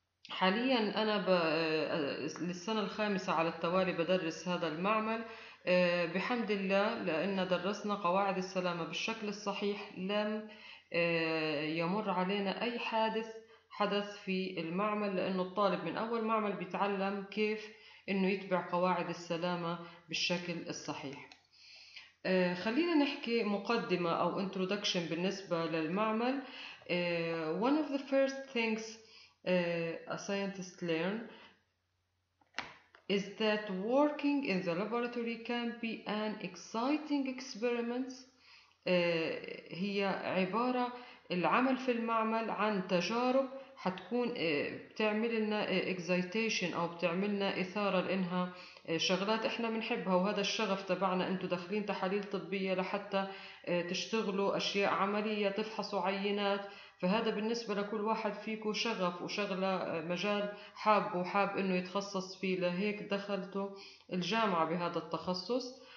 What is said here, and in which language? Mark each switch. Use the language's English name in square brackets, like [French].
[Arabic] حاليا أنا للسنة الخامسة على التوالي بدرس هذا المعمل بحمد الله، لأن درسنا قواعد السلامة بالشكل الصحيح لم يمر علينا أي حدث في المعمل، لأنه الطالب من أول معمل بيتعلم كيف أنه يتبع قواعد السلامة بالشكل الصحيح. خلينا نحكي مقدمة أو introduction بالنسبة للمعمل. [English] One of the first things a scientist learn is that working in the laboratory can be an exciting experiment. [Arabic] هي عبارة العمل في المعمل عن تجارب حتكون بتعمل لنا excitation أو بتعمل لنا إثارة، لأنها شغلات إحنا بنحبها وهذا الشغف تبعنا. أنتوا داخلين تحاليل طبية لحتى تشتغلوا أشياء عملية، تفحصوا عينات، فهذا بالنسبة لكل واحد فيكو شغف وشغلة، مجال حاب وحاب إنه يتخصص فيه، لهيك دخلتوا الجامعة بهذا التخصص.